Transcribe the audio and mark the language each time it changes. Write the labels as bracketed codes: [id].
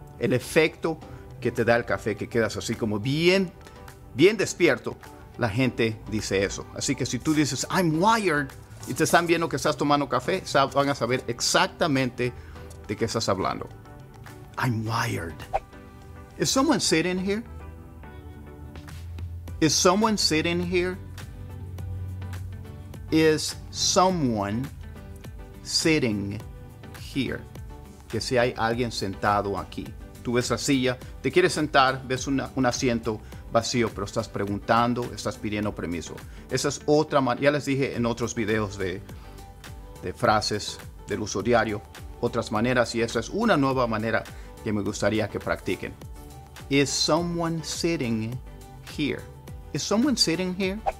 [es] El efecto que te da el café, que quedas así como bien, bien despierto. La gente dice eso. Así que si tú dices, [en] I'm wired, [es] y te están viendo que estás tomando café, van a saber exactamente de qué estás hablando. [en] I'm wired. Is someone sitting here? Is someone sitting here? Is someone sitting here? [es] Que si hay alguien sentado aquí. Tú ves la silla, te quieres sentar, ves un asiento vacío, pero estás preguntando, estás pidiendo permiso. Esa es otra manera. Ya les dije en otros videos de frases del uso diario, otras maneras, y esa es una nueva manera que me gustaría que practiquen. [en] Is someone sitting here? Is someone sitting here?